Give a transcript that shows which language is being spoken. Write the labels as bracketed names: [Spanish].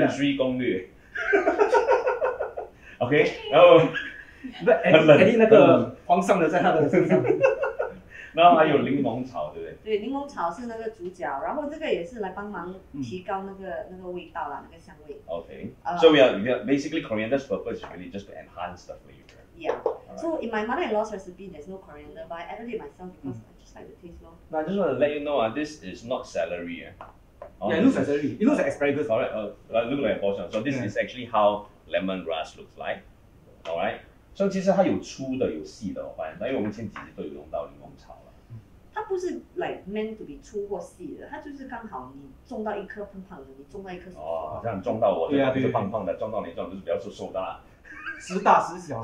[Chinese] 原水攻略。 OK， 然后那Eddie那个皇上的在他的身上。然后还有柠檬草，对不对？对，柠檬草是那个主角，然后这个也是来帮忙提高那个、那个味道啦，那个香味。 [English] OK， so we are basically coriander's purpose is really just to enhance the flavor. Yeah.、Right. So in my mother-in-law's recipe, there's no coriander, but I added it myself because I just like the taste, lor. No, I just want to let you know, this is not celery. Yeah, it looks like celery. It looks like asparagus. Alright, looks like a portion. So this is actually how lemongrass looks like. Alright. [Chinese] 所以其实它有粗的有细的，我发现，因为我们前几集都有用到柠檬草了。它不是 like meant to be 粗或细的，它就是刚好你种到一颗胖胖的，你种到一颗哦，这样种到我就不是胖胖的，种到你这种就是比较瘦大，时大时小，